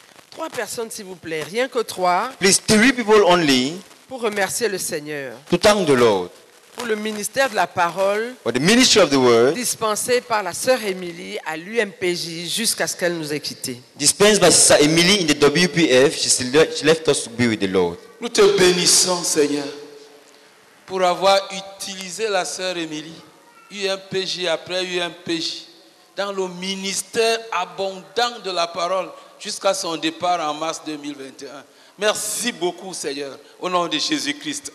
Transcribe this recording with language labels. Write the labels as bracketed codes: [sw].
[fr] Trois personnes, s'il vous plaît, rien que trois. [en] Please, three people only. [fr] Pour remercier le Seigneur. [en] To thank the Lord. [fr] Pour le ministère de la parole. [en] For the ministry of the word. [fr] Dispensé par la sœur Émilie à l'UMPJ jusqu'à ce qu'elle nous ait quittés. [en] Dispensed by Sister Emily in the WPF, she left us to be with the Lord. [fr] Nous te bénissons, Seigneur, pour avoir utilisé la sœur Émilie, UMPJ après UMPJ, dans le ministère abondant de la parole. Jusqu'à son départ en mars 2021. Merci beaucoup, Seigneur, au nom de Jésus-Christ.